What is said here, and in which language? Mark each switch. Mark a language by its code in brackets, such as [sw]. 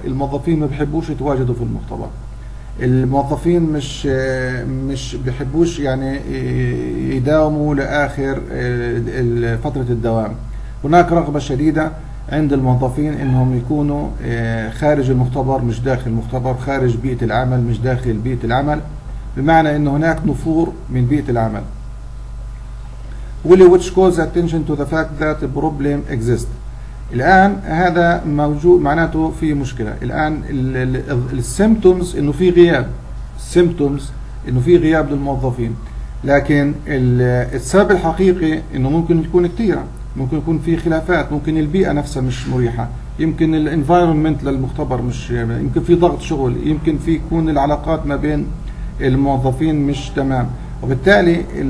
[ar] الموظفين ما بحبوش يتواجدوا في المختبر، الموظفين مش بحبوش يعني يداوموا لآخر فترة الدوام. هناك رغبة شديدة عند الموظفين إنهم يكونوا خارج المختبر مش داخل المختبر، خارج بيئة العمل مش داخل بيئة العمل، بمعنى إن هناك نفور من بيئة العمل. [en] which calls attention to the fact that a problem exists، [ar] الآن هذا موجود معناته في مشكلة. الآن السيمتومز إنه في غياب، سيمتومز إنه في غياب للموظفين، لكن السبب الحقيقي إنه ممكن يكون كتير، ممكن يكون في خلافات، ممكن البيئة نفسها مش مريحة، يمكن الانفايرمنت للمختبر مش، يمكن في ضغط شغل، يمكن في يكون العلاقات ما بين الموظفين مش تمام، وبالتالي